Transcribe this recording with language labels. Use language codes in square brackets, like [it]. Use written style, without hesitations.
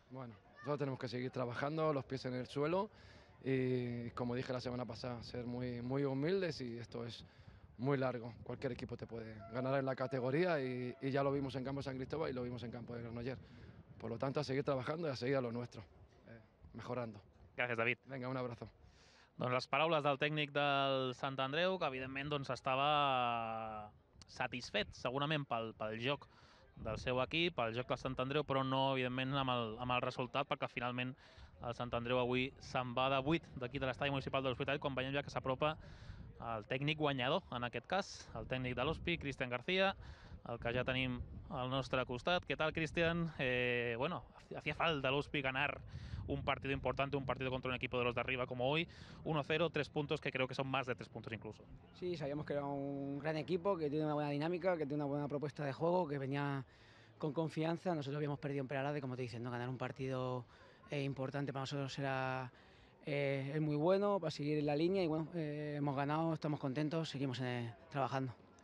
[es] Bueno, nosotros tenemos que seguir trabajando, los pies en el suelo, y como dije la semana pasada, ser muy, muy humildes, y esto es muy largo. Cualquier equipo te puede ganar en la categoría, y ya lo vimos en campo de San Cristóbal y lo vimos en campo de Granollers. Por lo tanto, a seguir trabajando y a seguir a lo nuestro, mejorando. [ca] Gràcies, David. [es] Vinga, un abrazo. [ca] Doncs les paraules del tècnic del Sant Andreu, que evidentment doncs, estava satisfet segurament pel joc del seu equip, pel joc del Sant Andreu, però no evidentment amb el resultat, perquè finalment el Sant Andreu avui se'n va de 8 d'aquí de l'estadi municipal de l'Hospitalet, quan veiem ja que s'apropa el tècnic guanyador, en aquest cas, el tècnic de l'Hospi, Cristian García, el que ja tenim al nostre costat. Què tal, Cristian? [es] Bueno, hacía falta l'Hospi ganar un partido importante, un partido contra un equipo de los de arriba como hoy, 1-0, tres puntos que creo que son más de tres puntos incluso. Sí, sabíamos que era un gran equipo, que tiene una buena dinámica, que tiene una buena propuesta de juego, que venía con confianza. Nosotros habíamos perdido en Peralade, como te dicen, ¿no? Ganar un partido importante para nosotros era muy bueno, para seguir en la línea, y bueno, hemos ganado, estamos contentos, seguimos trabajando.